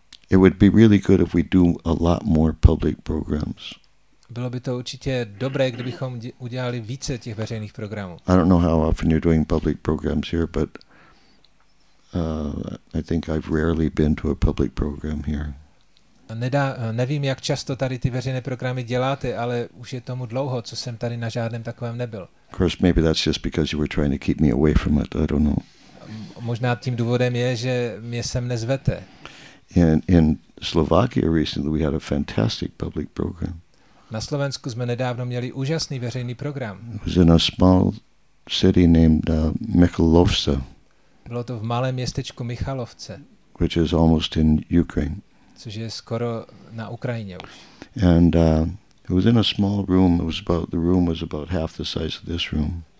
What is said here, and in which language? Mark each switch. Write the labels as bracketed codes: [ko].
[en] It would be really good if we do a lot more public programs. [cs] Bylo by to určitě dobré, kdybychom udělali více těch veřejných programů. [en] I don't know how often you're doing public programs here, but I think I've rarely been to a public program here. [cs] Nevím, jak často tady ty veřejné programy děláte, ale už je tomu dlouho, co jsem tady na žádném takovém nebyl. [en] Of course, maybe that's just because you were trying to keep me away from it. I don't know. [cs] Možná tím důvodem je, že mě sem nezvete. [en] In Slovakia recently we had a fantastic public program. [cs] Na Slovensku jsme nedávno měli úžasný veřejný program. [en] It was in a small city named Michalovce. [cs] Bylo to v malém městečku Michalovce. [en] Which is almost in Ukraine. [cs] Což je skoro na Ukrajině už. [en] And it was in a small room. The room was about half the size of this room.